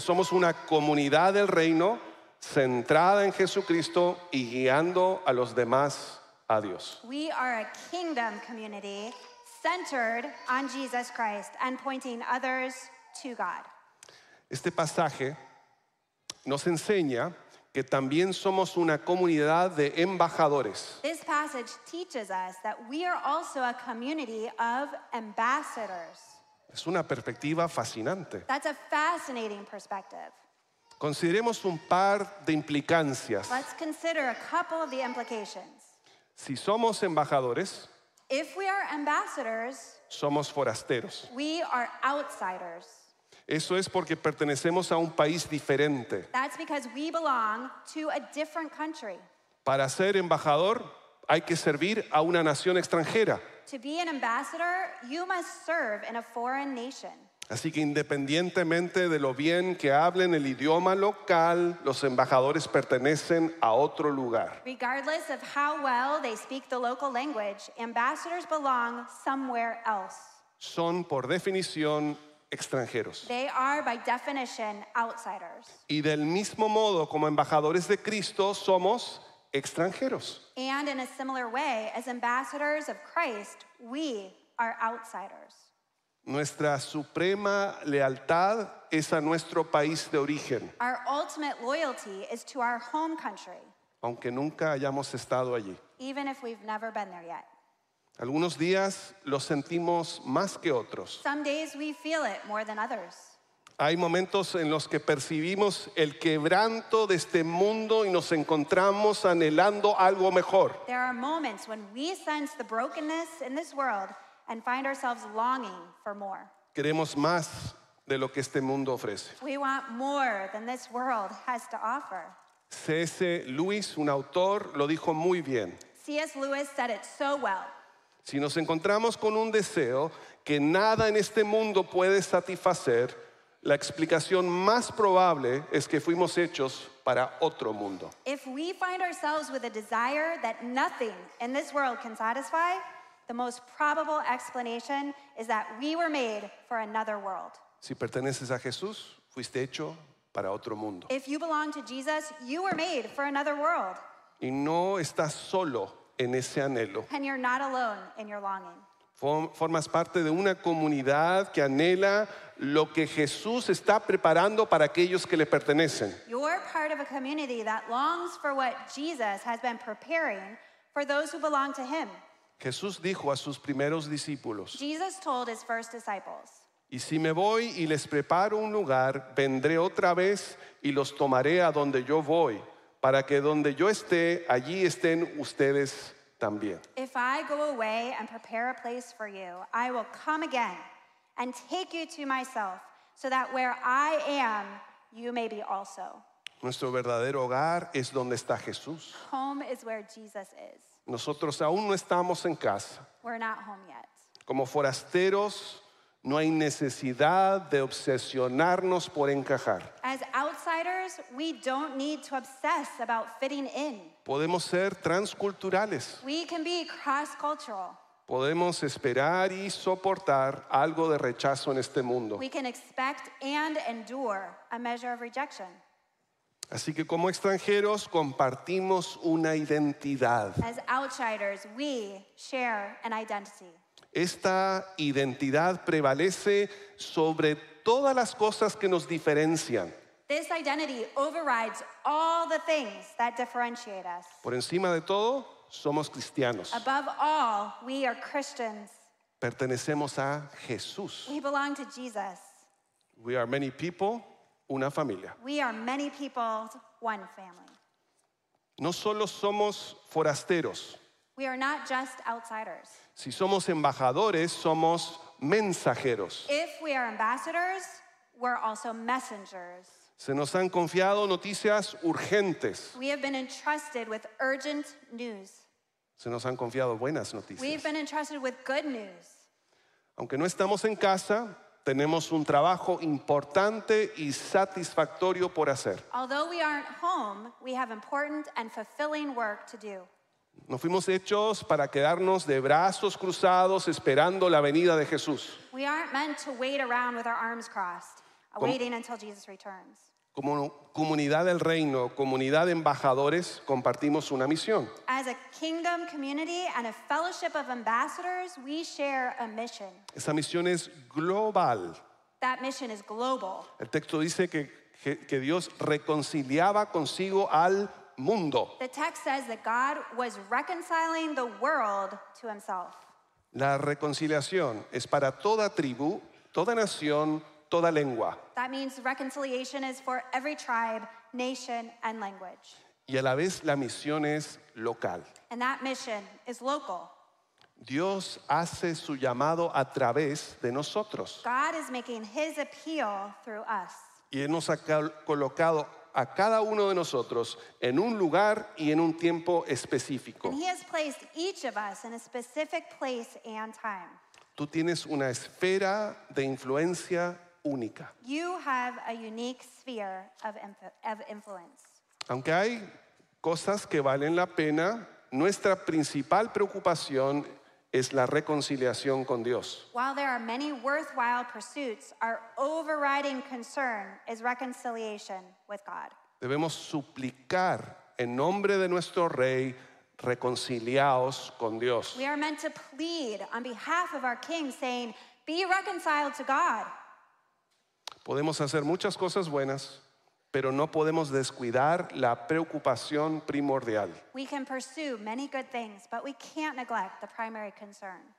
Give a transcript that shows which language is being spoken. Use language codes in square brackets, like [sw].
[es] Somos una comunidad del reino centrada en Jesucristo y guiando a los demás a Dios. [en] We are a kingdom community centered on Jesus Christ and pointing others to God. [es] Este pasaje nos enseña que también somos una comunidad de embajadores. [en] This passage teaches us that we are also a community of ambassadors. [es] Es una perspectiva fascinante. [en] That's a fascinating perspective. [es] Consideremos un par de implicancias. [en] Let's consider a couple of the implications. [es] Si somos embajadores, [en] if we are ambassadors, [es] somos forasteros. [en] We are outsiders. [es] Eso es porque pertenecemos a un país diferente. [en] That's because we belong to a different country. [es] Para ser embajador, hay que servir a una nación extranjera. [en] To be an ambassador, you must serve in a foreign nation. [es] Así que independientemente de lo bien que hablen el idioma local, los embajadores pertenecen a otro lugar. [en] Regardless of how well they speak the local language, ambassadors belong somewhere else. [es] Son, por definición, extranjeros. [en] They are by definition outsiders. [es] Y del mismo modo como embajadores de Cristo somos extranjeros. [en] And in a similar way as ambassadors of Christ, we are outsiders. [es] Nuestra suprema lealtad es a nuestro país de origen. [en] Our ultimate loyalty is to our home country. [es] Aunque nunca hayamos estado allí. [en] Even if we've never been there yet. [es] Algunos días lo sentimos más que otros. [en] Some days we feel it more than others. [es] Hay momentos en los que percibimos el quebranto de este mundo y nos encontramos anhelando algo mejor. [en] There are moments when we sense the brokenness in this world and find ourselves longing for more. [es] Queremos más de lo que este mundo ofrece. [en] We want more than this world has to offer. [es] C.S. Lewis, un autor, lo dijo muy bien. [en] C.S. Lewis said it so well. [es] Si nos encontramos con un deseo que nada en este mundo puede satisfacer, la explicación más probable es que fuimos hechos para otro mundo. [en] If we find ourselves with a desire that nothing in this world can satisfy, the most probable explanation is that we were made for another world. [es] Si perteneces a Jesús, fuiste hecho para otro mundo. [en] If you belong to Jesus, you were made for another world. [es] Y no estás solo en ese anhelo. [en] And you're not alone in your longing. [es] Formas parte de una comunidad que anhela lo que Jesús está preparando para aquellos que le pertenecen. [en] You're part of a community that longs for what Jesus has been preparing for those who belong to him. [es] Jesús dijo a sus primeros discípulos, [en] Jesus told his first disciples, [es] y si me voy y les preparo un lugar, vendré otra vez y los tomaré a donde yo voy, para que donde yo esté, allí estén ustedes también. [en] If I go away and prepare a place for you, I will come again and take you to myself, so that where I am, you may be also. [es] Nuestro verdadero hogar es donde está Jesús. [en] Home is where Jesus is. [es] Nosotros aún no estamos en casa. [en] We're not home yet. [es] Como forasteros, no hay necesidad de obsesionarnos por encajar. [en] As outsiders, we don't need to obsess about fitting in. [es] Podemos ser transculturales. [en] We can be cross-cultural. [es] Podemos esperar y soportar algo de rechazo en este mundo. [en] We can expect and endure a measure of rejection. [es] Así que como extranjeros compartimos una identidad. [en] As outsiders, we share an identity. [es] Esta identidad prevalece sobre todas las cosas que nos diferencian. [en] This identity overrides all the things that differentiate us. [es] Por encima de todo, somos cristianos. [en] Above all, we are Christians. [es] Pertenecemos a Jesús. [en] We belong to Jesus. We are many people, [es] una familia. [en] We are many people, one family. [es] No solo somos forasteros. [en] We are not just outsiders. [es] Si somos embajadores, somos mensajeros. [en] If we are ambassadors, we're also messengers. [es] Se nos han confiado noticias urgentes. [en] We have been entrusted with urgent news. [es] Se nos han confiado buenas noticias. [en] We've been entrusted with good news. [es] Aunque no estamos en casa, tenemos un trabajo importante y satisfactorio por hacer. [en] Although we aren't home, we have important and fulfilling work to do. [es] No fuimos hechos para quedarnos de brazos cruzados esperando la venida de Jesús. [en] We aren't meant to wait around with our arms crossed, waiting until Jesus returns. [es] Como comunidad del reino, comunidad de embajadores, compartimos una misión. [en] As a kingdom community and a fellowship of ambassadors, we share a mission. [es] Esa misión es global. [en] That mission is global. [es] El texto dice que Dios reconciliaba consigo al mundo. [en] The text says that God was reconciling the world to himself. [es] La reconciliación es para toda tribu, toda nación, toda lengua. [en] That means reconciliation is for every tribe, nation, and language. [es] Y a la vez la misión es local. [en] And that mission is local. [es] Dios hace su llamado a través de nosotros. [en] God is making his appeal through us. [es] Y él nos ha colocado a cada uno de nosotros en un lugar y en un tiempo específico. [en] And he has placed each of us in a specific place and time. [es] Tú tienes una esfera de influencia única. [en] You have a unique sphere of influence. [es] Aunque hay cosas que valen la pena, nuestra principal preocupación es la reconciliación con Dios. [en] While there are many worthwhile pursuits, our overriding concern is reconciliation with God. [es] Debemos suplicar en nombre de nuestro Rey, reconciliaos con Dios. [en] We are meant to plead on behalf of our King, saying, be reconciled to God. [es] Podemos hacer muchas cosas buenas, pero no podemos descuidar la preocupación primordial. [en] We can pursue many good things, but we can't neglect the primary concern.